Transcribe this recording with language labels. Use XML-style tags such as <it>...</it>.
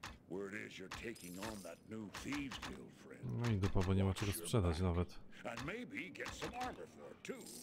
<en>Word is you're taking on that new thieves guild, friend.</en> <pl>No i do Pawła nie ma czego sprzedać nawet.</pl> <en>And maybe get some armor for it too.</en>